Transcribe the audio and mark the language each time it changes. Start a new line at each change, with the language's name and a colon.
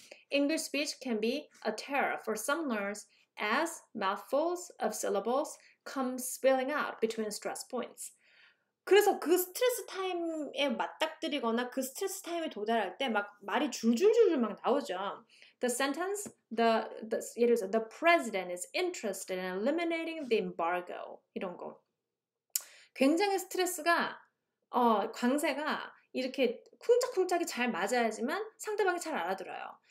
English: English speech can be a terror for some learners as mouthfuls of syllables come spilling out between stress points.
Korean: 그래서 그 스트레스 타임에 맞닥뜨리거나 그 스트레스 타임에 도달할 때막 말이 줄줄줄줄 막 나오죠.
English: The sentence, yeah, the president is interested in eliminating the embargo.
Korean: 이런 거. 굉장히 스트레스가, 광세가 이렇게 쿵짝쿵짝이 잘 맞아야지만 상대방이 잘 알아들어요.